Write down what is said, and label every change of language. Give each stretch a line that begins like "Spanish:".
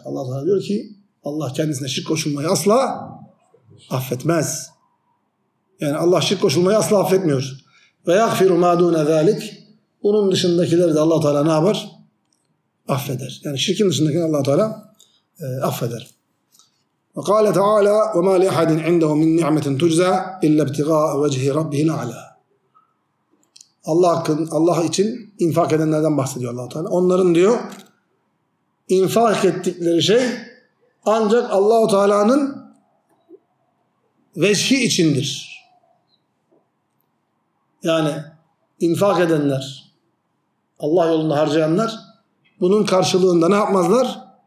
Turkish: Allah Teala diyor ki, Allah kendisine şirk koşulmayı asla affetmez. Yani Allah şirk koşulmayı asla affetmiyor.
Arabic: وَيَغْفِرُ مَا دُونَ ذَٰلِكَ.
Turkish: Bunun dışındakileri de Allah Teala ne yapar? Affeder. Yani şirkin dışındakini Allah Teala affeder.
Arabic: وقال تعالى وما لأحد عنده من نعمة تجزى إلا ابتغاء وجه ربه الأعلى.
Turkish: Allah için infak edenlerden bahsediyor Allah Teala. Onların diyor infak ettikleri şey ancak Allahu Teala'nın vecihi içindir. Yani infak edenler, Allah yolunda harcayanlar bunun karşılığında ne yapmazlar?